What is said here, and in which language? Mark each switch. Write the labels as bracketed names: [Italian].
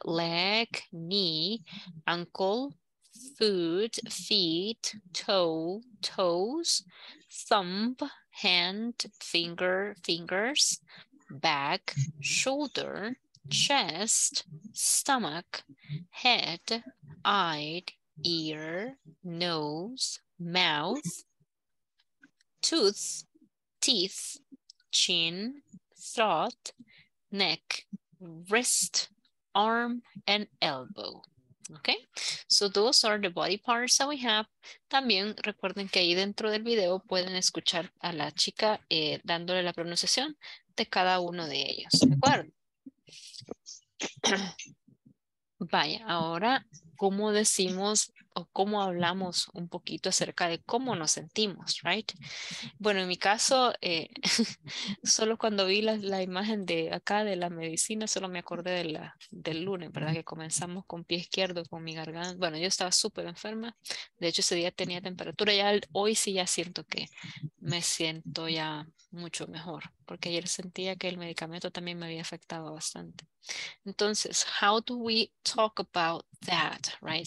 [English] Leg, knee, ankle, foot, feet, toe, toes, thumb, hand, finger, fingers, back, shoulder, chest, stomach, head, eye, ear, nose, mouth, tooth, teeth, chin, throat, neck, wrist, arm, and elbow. Okay, so those are the body parts that we have. [Spanish] También recuerden que ahí dentro del video pueden escuchar a la chica dándole la pronunciación de cada uno de ellos, ¿de acuerdo? Vaya, ahora, ¿cómo decimos o cómo hablamos un poquito acerca de cómo nos sentimos, [English] right? [Spanish] Bueno, en mi caso, solo cuando vi la imagen de acá de la medicina, solo me acordé de del lunes, ¿verdad? Que comenzamos con pie izquierdo, con mi garganta. Bueno, yo estaba súper enferma. De hecho, ese día tenía temperatura. Ya hoy sí ya siento que me siento ya mucho mejor, porque ayer sentía que el medicamento también me había afectado bastante. Entonces, [English] how do we talk about that, right?